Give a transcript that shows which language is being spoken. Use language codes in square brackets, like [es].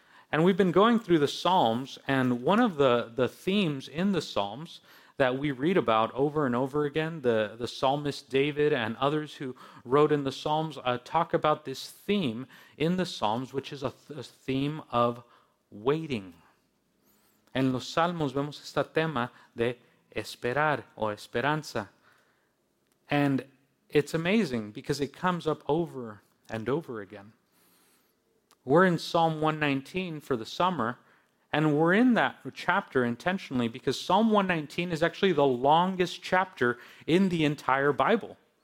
[en] And we've been going through the Psalms, and one of the themes in the Psalms that we read about over and over again, the psalmist David and others who wrote in the Psalms talk about this theme in the Psalms, which is a theme of waiting. [es] En los Salmos vemos este tema de esperar o esperanza. [en] And it's amazing because it comes up over and over again. We're in Psalm 119 for the summer. And we're in that chapter intentionally because Psalm 119 is actually the longest chapter in the entire Bible.